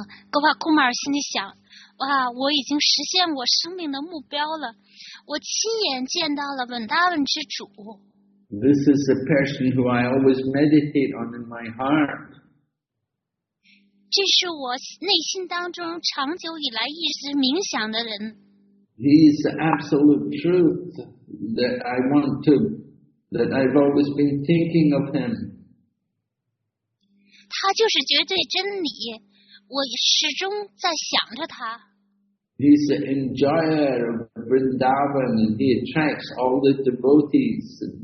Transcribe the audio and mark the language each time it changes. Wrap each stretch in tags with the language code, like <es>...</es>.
<zh>Gopal Kumar 心里想，哇，我已经实现我生命的目标了，我亲眼见到了 Vrindavan 之主。</zh> <en>This is the person who I always meditate on in my heart.</en> <zh>这是我内心当中长久以来一直冥想的人。</zh> <en>He is the absolute truth that I want to, that I've always been thinking of him.</en> <zh>他就是绝对真理。我始终在想着他。</zh> <en>He's the enjoyer of Vrindavan, and he attracts all the devotees.</en>